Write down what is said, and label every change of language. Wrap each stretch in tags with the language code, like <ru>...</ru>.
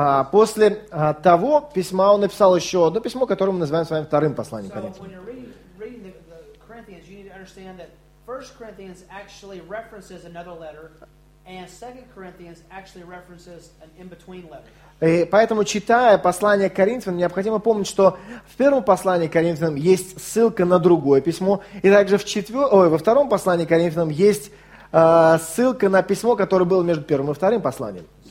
<ru>После того письма он написал еще одно письмо, которое мы называем с вами вторым посланием Коринфянам.</ru> <en>So, Corinthians, you need to understand that 1 Corinthians actually references another letter, and 2 Corinthians actually references an in-between letter.</en> <ru>И поэтому, читая послание к Коринфянам, необходимо помнить, что в первом послании к Коринфянам есть ссылка на другое письмо, и также в во втором послании к Коринфянам есть ссылка на письмо, которое было между первым и вторым посланием.</ru>